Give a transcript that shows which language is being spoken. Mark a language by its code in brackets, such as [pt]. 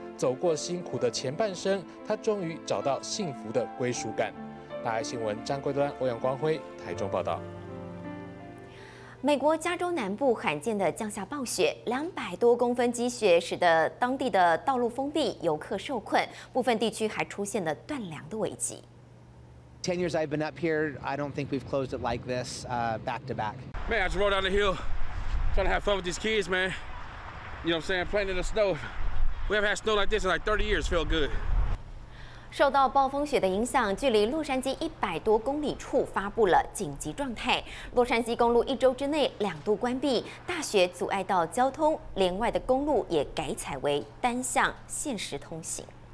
[zh] 走过辛苦的前半生，他终于找到幸福的归属感。大爱新闻张桂端、欧阳光辉台中报道。美国加州南部罕见的降下暴雪，200多公分积雪使得当地的道路封闭，游客受困，部分地区还出现了断粮的危机。 [en] 10 years I've been up here, I don't think we've closed it like this, back to back. Man, I just rode down the hill, trying to have fun with these kids, man. You know what I'm saying? Playing in the snow. We haven't had snow like this in like 30 years. Feel good. [zh] 受到暴风雪的影响，距离洛杉矶100多公里处发布了紧急状态。洛杉矶公路一周之内2度关闭，大雪阻碍到交通，连外的公路也改采为单向限时通行。